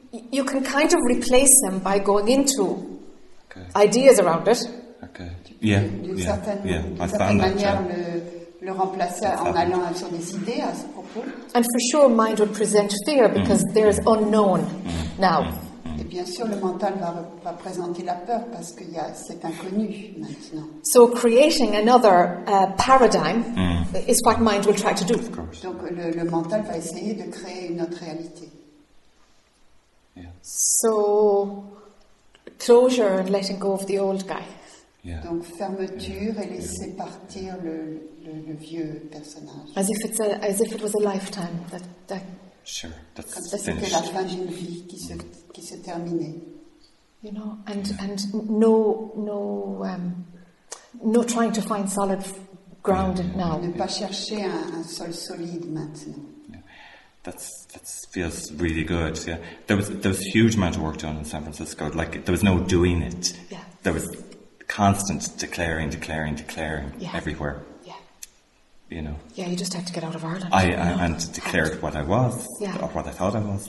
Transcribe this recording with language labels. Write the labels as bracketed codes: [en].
[en] You can kind of replace them by going into ideas around it. Okay. Yeah. [fr] Le remplacer en allant sur des idées à ce propos. [en] And for sure, mind would present fear because there is unknown now. [fr] Et bien sûr, le mental va présenter la peur parce qu'il y a cet inconnu maintenant. [en] So creating another paradigm is what mind will try to do. [fr] Donc le mental va essayer de créer une autre réalité. [en] Yeah. So closure and letting go of the old guy. Yeah. [fr] Donc fermeture et laisser partir le vieux personnage. [en] As if it was a lifetime that. Sure, that's finished. [fr] Comme si c'était la fin d'une vie qui se terminait. [en] You know, and no trying to find solid ground now. [fr] Ne pas chercher un sol solide maintenant. [en] That feels really good. Yeah, there was a huge amount of work done in San Francisco. Like there was no doing it. Yeah, there was. Constant declaring everywhere. Yeah. You know. Yeah, you just had to get out of Ireland. And declared what I was, or what I thought I was,